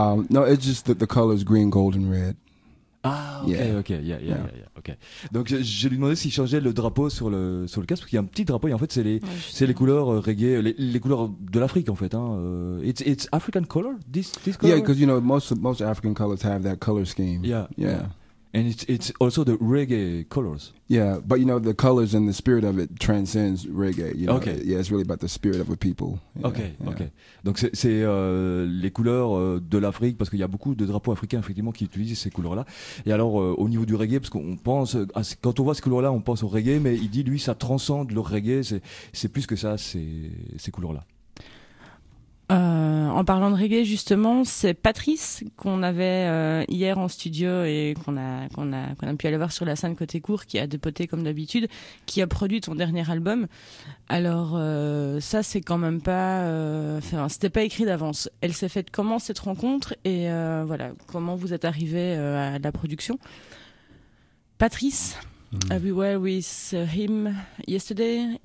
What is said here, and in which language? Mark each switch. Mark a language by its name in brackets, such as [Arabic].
[English] No, it's just that the colors green, gold and red. Ah, okay, yeah. Okay. [French] Donc je lui demandais s'il changeait le drapeau sur le casque, parce qu'il y a un petit drapeau, et en fait c'est les couleurs reggae, les couleurs de l'Afrique en fait, hein. [English] It's African color, this color? Yeah, because you know most African colors have that color scheme. Yeah. And it's also the reggae colors. Yeah, but you know, the colors and the spirit of it transcends reggae. You know? Okay. Yeah, it's really about the spirit of a people. Yeah, okay, yeah. Okay. [French] Donc c'est les couleurs de l'Afrique, parce qu'il y a beaucoup de drapeaux africains, effectivement, qui utilisent ces couleurs-là. Et alors, au niveau du reggae, parce qu'on pense, quand on voit ces couleurs-là, on pense au reggae, mais il dit, lui, ça transcende le reggae, c'est plus que ça, ces couleurs-là. En parlant de reggae, justement, c'est Patrice qu'on avait hier en studio et qu'on a pu aller voir sur la scène côté court, qui a dépoté comme d'habitude, qui a produit ton dernier album. Alors ça, c'est quand même pas, c'était pas écrit d'avance. Elle s'est faite comment, cette rencontre, et voilà, comment vous êtes arrivé à la production, Patrice? [English] We were with him yesterday.